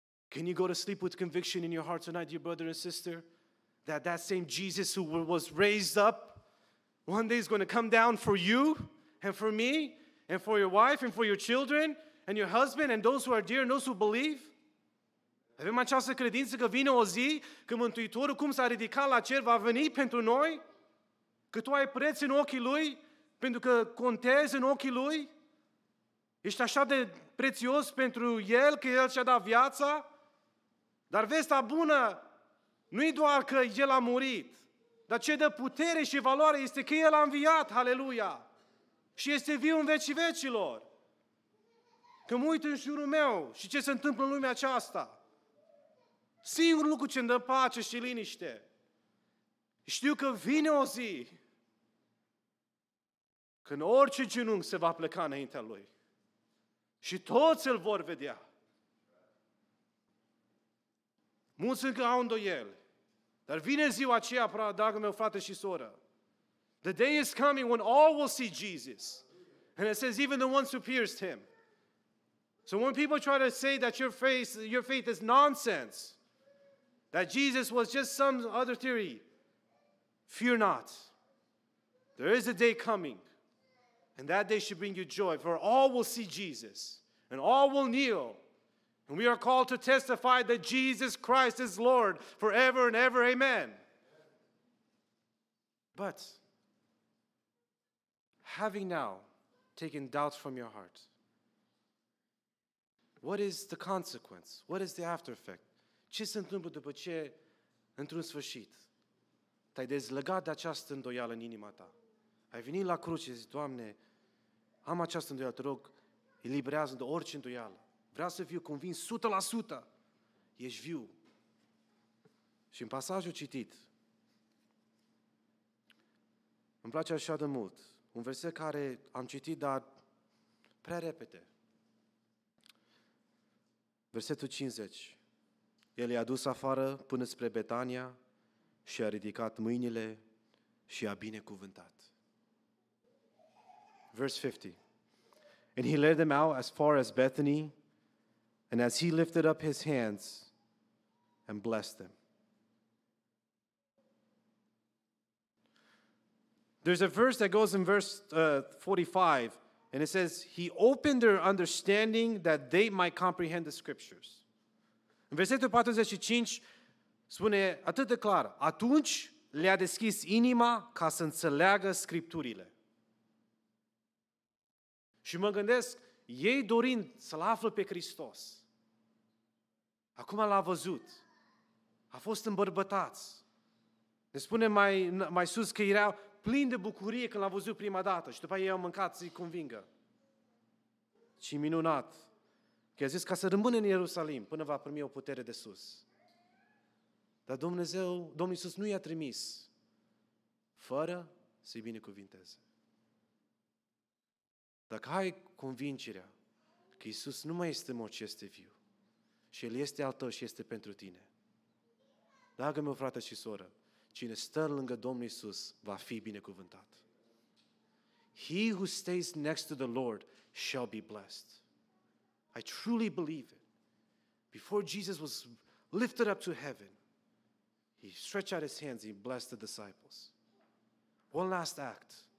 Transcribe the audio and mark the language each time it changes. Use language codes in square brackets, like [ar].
[en] Can you go to sleep with conviction in your heart tonight, dear brother and sister, that same Jesus who was raised up, one day is going to come down for you? And for me, and for your wife, and for your children, and your husband, and those who are dear, and those who believe. [ro] Avem această credință că vine o zi când Mântuitorul, cum s-a ridicat la cer, va veni pentru noi? Că tu ai preț în ochii Lui? Pentru că contezi în ochii Lui? Ești așa de prețios pentru El, că El ți-a dat viața? Dar vestea bună nu e doar că El a murit, dar ce dă putere și valoare este că El a înviat, aleluia! Și este viu în vecii vecilor. Că mă uit în jurul meu și ce se întâmplă în lumea aceasta. Singurul lucru ce îmi dă pace și liniște. Știu că vine o zi când orice genunchi se va pleca înaintea Lui. Și toți îl vor vedea. Mulți încă au îndoieli. Dar vine ziua aceea, dragul meu, frate și soră. [en] The day is coming when all will see Jesus. And it says even the ones who pierced him. So when people try to say that your faith is nonsense, that Jesus was just some other theory, fear not. There is a day coming. And that day should bring you joy. For all will see Jesus. And all will kneel. And we are called to testify that Jesus Christ is Lord forever and ever. Amen. But having now taken doubts from your heart, What is the consequence? What is the after effect? [ro] Ce se întâmplă după ce, într-un sfârșit, te-ai dezlegat de această îndoială în inima ta? Ai venit la cruce și zici, Doamne, am această îndoială, te rog, eliberează-mi de orice îndoială. Vreau să fiu convins 100%. Ești viu. Și în pasajul citit, îmi place așa de mult, un verset care am citit, dar prea repede. Versetul 50. El i-a dus afară până spre Betania și a ridicat mâinile și a binecuvântat. [en] Verse 50. And he led them out as far as Bethany, and as he lifted up his hands and blessed them. There's a verse that goes in verse 45, and it says, he opened their understanding that they might comprehend the scriptures. [ro] În versetul 45 spune atât de clar, atunci le-a deschis inima ca să înțeleagă scripturile. Și mă gândesc, ei dorind să-L află pe Hristos, acum L-a văzut, a fost îmbărbătați. Ne spune mai sus că erau plini de bucurie când L-a văzut prima dată și după aceea i-au mâncat să-i convingă. Și minunat că a zis ca să rămână în Ierusalim până va primi o putere de sus. Dar Dumnezeu, Domnul Iisus nu i-a trimis fără să-i binecuvinteze. Dacă ai convingerea că Iisus nu mai este mort, ci este viu, și El este al tău și este pentru tine, dragă meu frate și soră, cine stă lângă Domnul Iisus va fi binecuvântat. [en] He who stays next to the Lord shall be blessed. I truly believe it. Before Jesus was lifted up to heaven, He stretched out His hands and blessed the disciples. One last act.